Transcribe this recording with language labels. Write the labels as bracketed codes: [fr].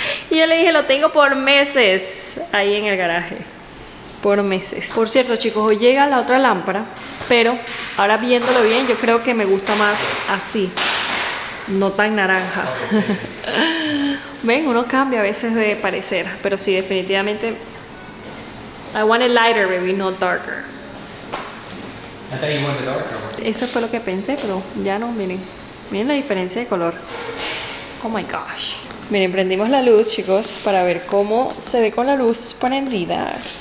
[es] Y yo le dije, lo tengo por meses ahí en el garaje, por meses. Por cierto, chicos, hoy llega la otra lámpara, pero ahora viéndolo bien, yo creo que me gusta más así, no tan naranja. Ven, uno cambia a veces de parecer, pero sí, definitivamente. [en] I want it lighter, baby, not darker. I thought you wanted darker. [es] Eso fue lo que pensé, pero ya no, miren. Miren la diferencia de color. [en] Oh my gosh. [es] Miren, prendimos la luz, chicos, para ver cómo se ve con la luz prendida.